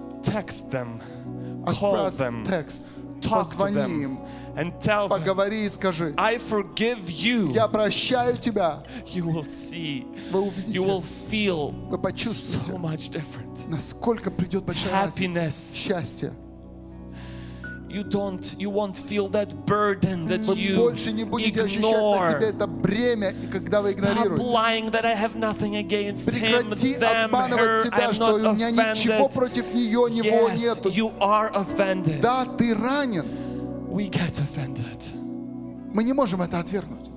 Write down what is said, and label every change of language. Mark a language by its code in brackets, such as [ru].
[en] Text them. Call them. Text. [ru] Позвони им, [en] and tell them, [ru] поговори и скажи, [en] I forgive you. [ru] Я прощаю тебя. [en] You will see, [ru] вы увидите, [en] you will feel, [ru] вы почувствуете, [en] so much different. [ru] Насколько придет большая [en] happiness. [ru] Разница, счастье. [en] You don't, you won't feel that burden that [ru] вы [en] you [ru] больше не будете [en] ignore. [ru] Ощущать на себе это бремя, когда вы игнорируете. [en] Stop lying that I have nothing against [ru] прекрати [en] him, [ru] обманывать себя, [en] her, [ru] что [en] I'm [ru] у меня [en] offended. [ru] Ничего против нее, него [en] yes, [ru] нету. [en] You are offended. [ru] Да, ты ранен. [en] We get offended. [ru] Мы не можем это отвергнуть.